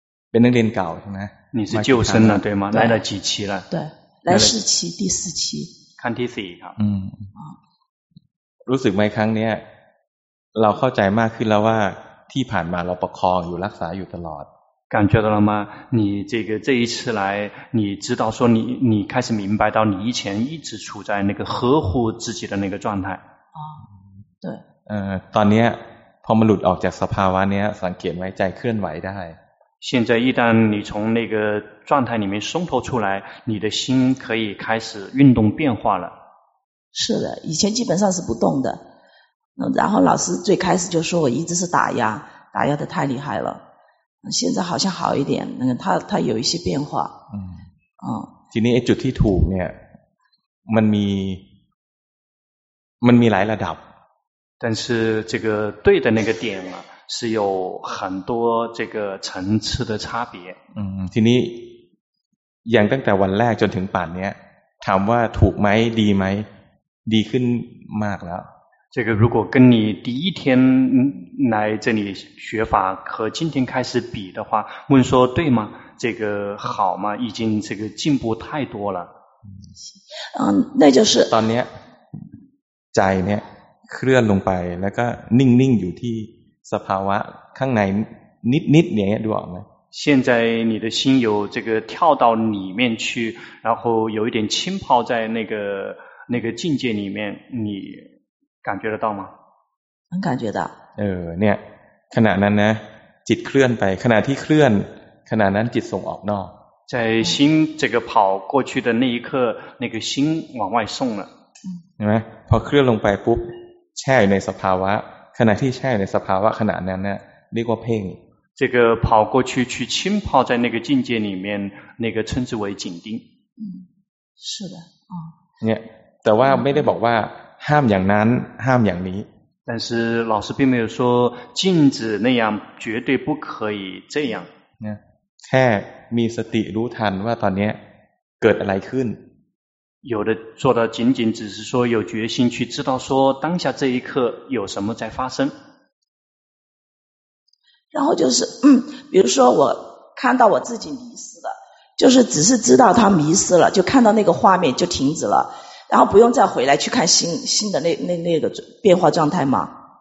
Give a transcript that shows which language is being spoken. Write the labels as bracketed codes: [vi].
[th] เป็นนักเรียนเก่าใช่ไหม [zh] 你是旧生了对吗来了几期了对来四期第四期 [th] ขั้นที่สี่ครับ รู้สึกไหมครั้งเนี้ยเราเข้าใจมากขึ้นแล้วว่าที่ผ่านมาเราประคองอยู่รักษาอยู่ตลอด [zh] 感觉到了吗你这个这一次来你知道说你开始明白到你以前一直处在那个呵护自己的那个状态对 [th] ตอนนี้พอมันหลุดออกจากสภาวะเนี้ยสังเกตไว้ใจเคลื่อนไหวได้ [zh] 现在一旦你从那个状态里面松脱出来你的心可以开始运动变化了是的以前基本上是不动的然后老师最开始就说我一直是打压的太厉害了现在好像好一点他有一些变化 [th] ทีนี้จุดที่ถูกเนี่ยมันมีหลายระดับ [zh] 但是这个对的那个点嘛是有很多这个层次的差别 [th] ทีนี้อย่างตั้งแต่วันแรกจนถึงป่านนี้ถามว่าถูกไหมดีไหมดีขึ้นมากแล้ว [zh] 这个如果跟你第一天来这里学法和今天开始比的话问说对吗这个好吗已经这个进步太多了那就是 [th] ตอนนี้ใจเนี่ยเคลื่อนลงไปแล้วก็นิ่งๆอยู่ที่สภาวะข้างในนิดๆอย่างเงี้ยดูออกมั้ย [zh] 现在你的心有这个跳到里面去然后有一点浸泡在那个境界里面你感觉得到吗能感觉到 [th] เนี่ยขณะนั้นนะจิตเคลื่อนไปขณะที่เคลื่อนขณะนั้นจิตส่งออกนอก [zh] 在心这个跑过去的那一刻那个心往外送了 [th] ใช่มั้ยพอเคลื่อนลงไปปุ๊บแช่อยู่ในสภาวะขณะที่แช่ในสภาวะขณะนั้นเนี่ยเรียกว่าเพ่ง [zh] 这个跑过去去浸泡在那个境界里面那个称之为紧盯是的 [th] เนี่ยแต่ว่าไม่ได้บอกว่าห้ามอย่างนั้นห้ามอย่างนี้ [zh] 但是老师并没有说禁止那样绝对不可以这样 [th] เนี่ยแค่มีสติรู้ทันว่าตอนนี้เกิดอะไรขึ้น [zh] 有的做的仅仅只是说有决心去知道说当下这一刻有什么在发生然后就是比如说我看到我自己迷失了就是只是知道他迷失了就看到那个画面就停止了然后不用再回来去看新的那个变化状态吗